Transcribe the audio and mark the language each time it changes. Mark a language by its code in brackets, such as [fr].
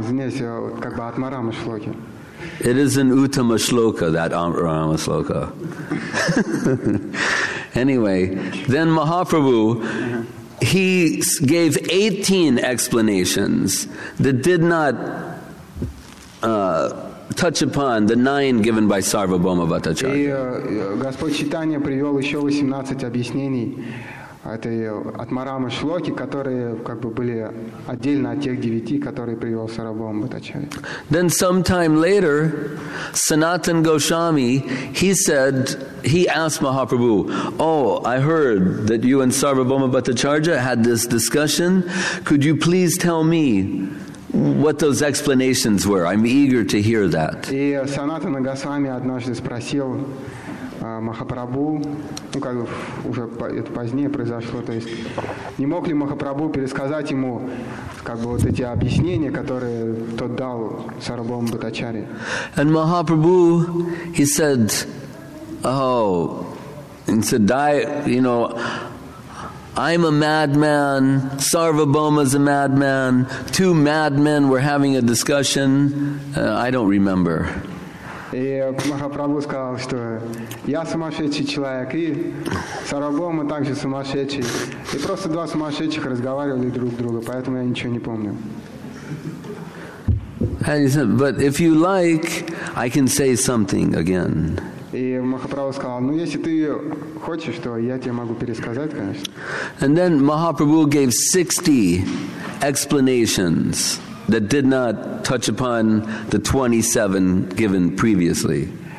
[ru] Извиняюсь, как бы Атмарама шлоки. [en] It is an Uttama shloka, that Atmarama shloka. Anyway, then Mahaprabhu, he gave 18 explanations that did not touch upon the 9 given by Sarvabhauma Bhattacharya. [ru] Господь Читания привел еще 18 объяснений этой Атмарама шлоки, которые как бы были отдельно от тех 9, которые привел Сарвабхаума Бхаттачарья. [en] Then sometime later, Sanatan Goswami, he said, he asked Mahaprabhu, "Oh, I heard that you and Sarvabhauma Bhattacharya had this discussion. Could you please tell me what those explanations were? I'm eager to hear that." [ru] И Санатана Госвами однажды спросил Махапрабху, ну как бы уже это позднее произошло, то есть не мог ли Махапрабху пересказать ему как бы вот эти объяснения, которые тот дал Сарвабхауму Бхаттачарье. [en] And Mahaprabhu, he said, oh, and said, I, you know, I'm a madman, Sarvabhauma's a madman, 2 madmen were having a discussion, I don't remember. [ru] И Махапрабху сказал, что я сумасшедший человек, и Сарвабхаума также сумасшедший. И просто 2 сумасшедших разговаривали друг с другом, поэтому я ничего не помню. [en] And he said, but if you like, I can say something again. [ru] И Махапрабху сказал, ну если ты хочешь, то я тебе могу пересказать, конечно. [en] And then Mahaprabhu gave 60 explanations that did not touch upon the 27 given previously.